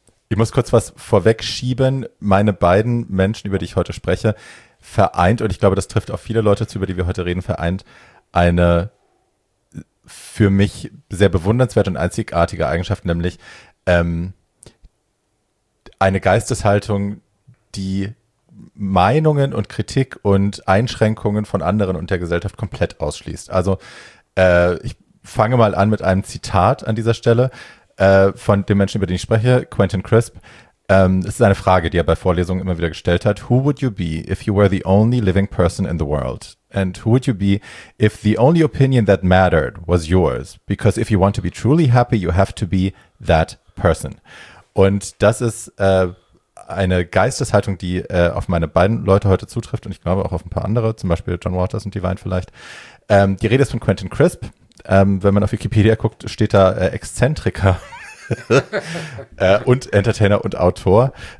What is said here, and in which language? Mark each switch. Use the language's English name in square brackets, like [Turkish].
[German] Ich muss kurz was vorwegschieben. Meine beiden Menschen, über die ich heute spreche, vereint, und ich glaube, das trifft auch viele Leute zu, über die wir heute reden, vereint eine für mich sehr bewundernswerte und einzigartige Eigenschaft, nämlich eine Geisteshaltung, die Meinungen und Kritik und Einschränkungen von anderen und der Gesellschaft komplett ausschließt. Also ich fange mal an mit einem Zitat an dieser Stelle von dem Menschen, über den ich spreche, Quentin Crisp. Es ist eine Frage, die er bei Vorlesungen immer wieder gestellt hat. [English] Who would you be if you were the only living person in the world? And who would you be if the only opinion that mattered was yours? Because if you want to be truly happy, you have to be that person. [German] Und das ist eine Geisteshaltung, die auf meine beiden Leute heute zutrifft und ich glaube auch auf ein paar andere, zum Beispiel John Waters und Divine vielleicht. Die Rede ist von Quentin Crisp. Wenn man auf Wikipedia guckt, steht da Exzentriker und Entertainer und Autor.